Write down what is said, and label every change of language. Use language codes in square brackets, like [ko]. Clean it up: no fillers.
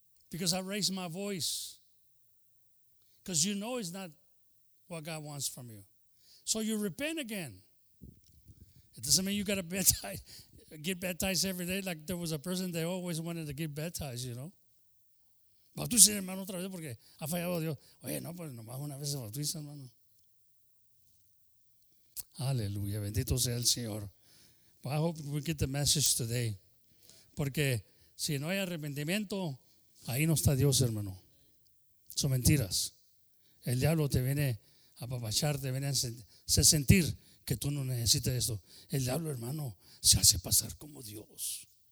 [en] Because I raised my voice. Because you know it's not what God wants from you. So you repent again. It doesn't mean you got to get baptized every day like there was a person that always wanted to get baptized, you know. [es] Bautice, hermano, otra vez porque ha fallado Dios. Oye, no, pues nomás una vez se bautiza, hermano. Aleluya, bendito sea el Señor. [en] Well, I hope we get the message today. [es] Porque si no hay arrepentimiento, ahí no está Dios, hermano. Son mentiras. El diablo te viene a apapacharte, viene a hacer sentir que tú no necesitas esto. El diablo, hermano, se hace pasar como Dios.